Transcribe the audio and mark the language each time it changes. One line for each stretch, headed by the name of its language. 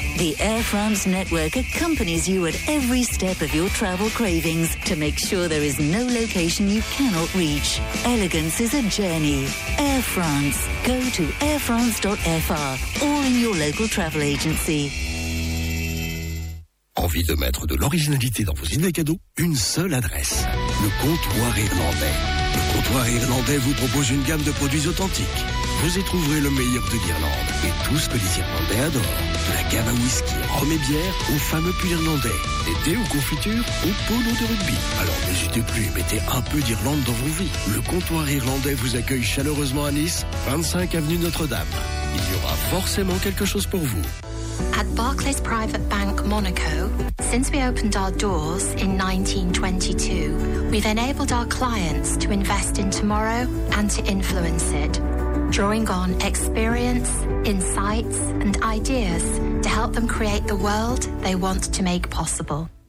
English: The Air France network accompanies you at every step of your travel cravings to make sure there is no location you cannot reach. Elegance is a journey. Air France. Go to airfrance.fr or in your local travel agency.
French: Envie de mettre de l'originalité dans vos idées cadeaux? Une seule adresse. Le comptoir irlandais. Le comptoir irlandais vous propose une gamme de produits authentiques. Vous y trouverez le meilleur de l'Irlande et tout ce que les Irlandais adorent. De la gamme à whisky, rhum et bière au fameux pull irlandais. Des thés ou confitures au polo de rugby. Alors n'hésitez plus, mettez un peu d'Irlande dans vos vies. Le comptoir irlandais vous accueille chaleureusement à Nice, 25 avenue Notre-Dame. Il y aura forcément quelque chose pour vous.
English: At Barclays Private Bank Monaco, since we opened our doors in 1922, we've enabled our clients to invest in tomorrow and to influence it, drawing on experience, insights, and ideas to help them create the world they want to make possible.